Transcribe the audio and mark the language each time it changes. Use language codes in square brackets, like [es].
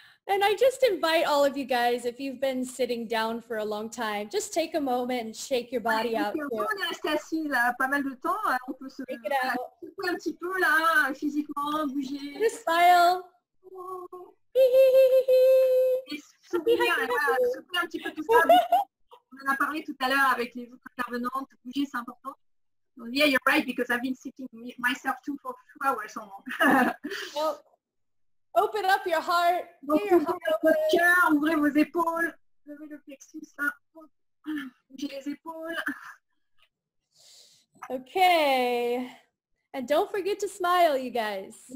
[en] And I just invite all of you guys, if you've been sitting down for a long time, just take a moment and shake your body out. [fr] On est resté assis là pas mal de temps, on peut se [en] shake it out. [fr] Un petit peu là, physiquement, bouger. [en] Just smile. [fr] Oh. Et sourire, voilà, secouer un petit peu tout ça. On en a parlé tout à l'heure avec les autres intervenantes, bouger c'est important. [en] Yeah, you're right, because I've been sitting myself too for 2 hours or more. Well, open up your heart. [fr] Donc, ouvrez votre cœur, ouvrez vos épaules. Levez le plexus là. Bougez les épaules. [en] Okay. And don't forget to smile, you guys.